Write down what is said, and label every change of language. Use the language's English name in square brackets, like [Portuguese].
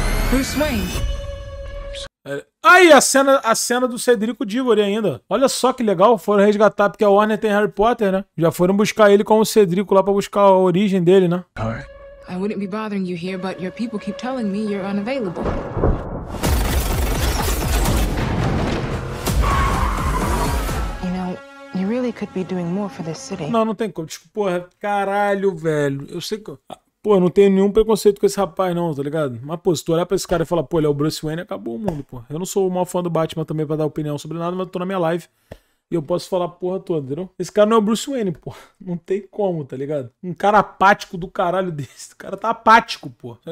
[Portuguese] Bruce Wayne. Aí, a cena do Cedrico Diggory ainda. Olha só que legal, foram resgatar, porque a Warner tem Harry Potter, né? Já foram buscar ele com o Cedrico lá pra buscar a origem dele, né? [English] I wouldn't be bothering you here, but your people keep telling me you're unavailable. You know, you really could be doing more for this city. [Portuguese] Não, não tem como. Tipo, porra, caralho, velho. Eu sei que. Pô, eu não tenho nenhum preconceito com esse rapaz, não, tá ligado? Mas, pô, se tu olhar pra esse cara e falar, pô, ele é o Bruce Wayne, acabou o mundo, pô. Eu não sou o maior fã do Batman também pra dar opinião sobre nada, mas eu tô na minha live. E eu posso falar a porra toda, entendeu? Esse cara não é o Bruce Wayne, pô. Não tem como, tá ligado? Um cara apático do caralho desse. O cara tá apático, pô.